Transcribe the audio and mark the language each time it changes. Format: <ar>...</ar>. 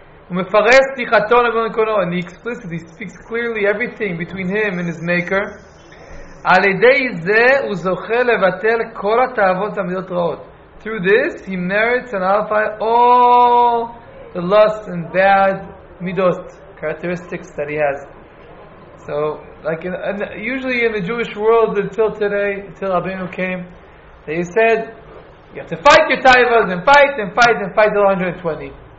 <he>ומפרש שיחתו לבין קונו,</he> <en>and he explicitly speaks clearly everything between him and his maker.</en> <he>על ידי זה הוא זוכה לבטל כל התאוות והמידות רעות.</he> <en>Through this he merits and nullifies all the lusts and bad midos characteristics that he has. So like usually in the Jewish world until today, until Rabbeinu came, they said you have to fight your taivas and fight till 120.</en>